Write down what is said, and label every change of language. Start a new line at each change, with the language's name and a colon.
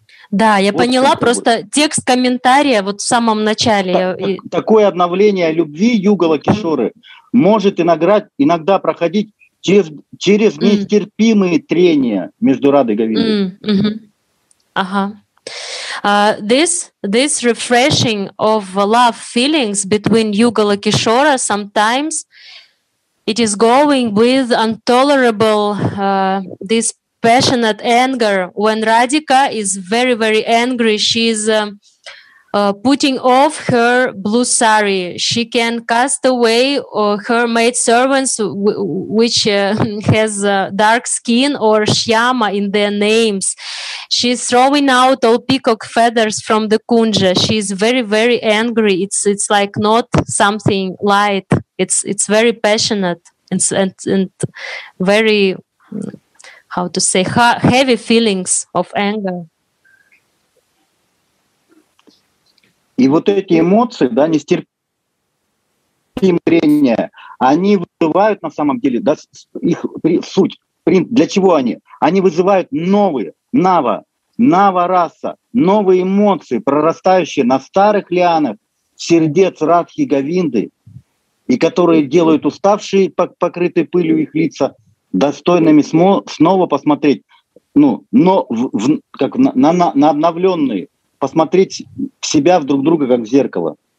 Russian: Да, я вот поняла, просто будет. Текст комментария вот в самом начале. Такое обновление любви Югала Кишоры может иногда проходить через нестерпимые трения между Радой и Говиндой. Ага.
English: This refreshing of love feelings between Югала Кишора sometimes it is going with intolerable this passionate anger when Radhika is very, very angry. She is putting off her blue sari. She can cast away her maid servants, which has dark skin or shyama in their names. She's throwing out all peacock feathers from the kunja. She's very, very angry. It's like not something light. It's very passionate and very, how to say, heavy feelings of anger.
Russian: И вот эти эмоции, да, нестерпимые трения, они вызывают на самом деле, да, их суть, для чего они? Они вызывают новые, нава-раса, новые эмоции, прорастающие на старых лианах сердец Радхи Говинды, и которые делают уставшие, покрытые пылью их лица, достойными снова посмотреть, ну, но как на обновленные, посмотреть себя в друг друга как в зеркало.